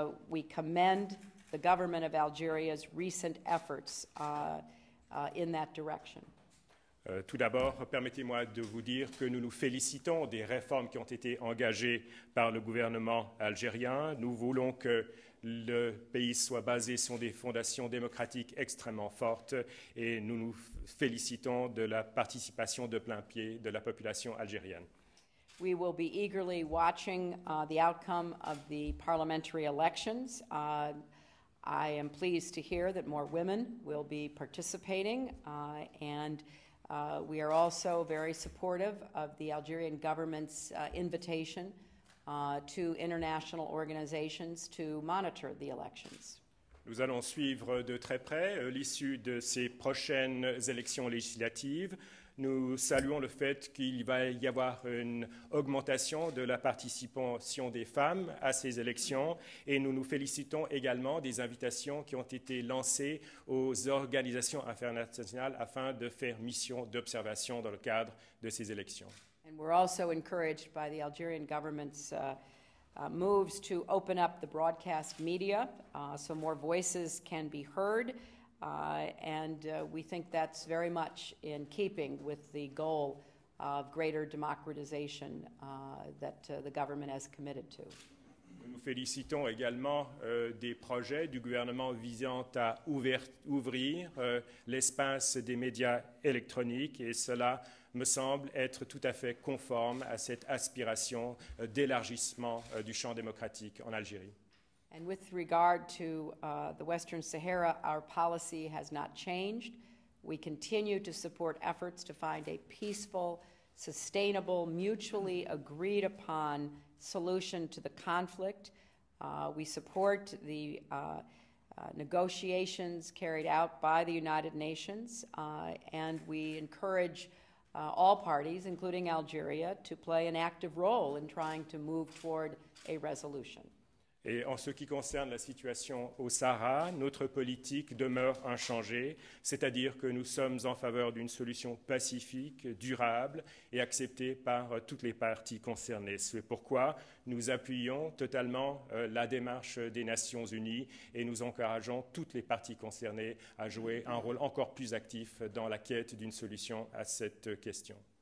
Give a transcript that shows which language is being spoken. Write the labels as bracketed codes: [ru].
[en] We commend the government of Algeria's recent efforts in that direction. [fr] Tout d'abord, permettez-moi de vous dire que nous nous félicitons des réformes qui ont été engagées par le gouvernement algérien. Nous voulons que le pays soit basé sur des fondations démocratiques extrêmement fortes et nous nous félicitons de la participation de plein pied de la population algérienne. [en] We will be eagerly watching the outcome of the parliamentary elections. I am pleased to hear that more women will be participating and we are also very supportive of the Algerian government's invitation to international organizations to monitor the elections. [fr] Nous allons suivre de très près l'issue de ces prochaines élections législatives. Nous saluons le fait qu'il va y avoir une augmentation de la participation des femmes à ces élections et nous nous félicitons également des invitations qui ont été lancées aux organisations internationales afin de faire mission d'observation dans le cadre de ces élections. [en] And we're also encouraged by the Algerian government's moves to open up the broadcast media so more voices can be heard. We think that's very much in keeping with the goal of greater democratization that the government has committed to. [fr] Nous nous félicitons également des projets du gouvernement visant à ouvrir l'espace des médias électroniques et cela me semble être tout à fait conforme à cette aspiration d'élargissement du champ démocratique en Algérie. [en] And with regard to the Western Sahara, our policy has not changed. We continue to support efforts to find a peaceful, sustainable, mutually agreed upon solution to the conflict. We support the negotiations carried out by the United Nations, and we encourage all parties, including Algeria, to play an active role in trying to move toward a resolution. [fr] Et en ce qui concerne la situation au Sahara, notre politique demeure inchangée, c'est-à-dire que nous sommes en faveur d'une solution pacifique, durable et acceptée par toutes les parties concernées. C'est pourquoi nous appuyons totalement la démarche des Nations Unies et nous encourageons toutes les parties concernées à jouer un rôle encore plus actif dans la quête d'une solution à cette question.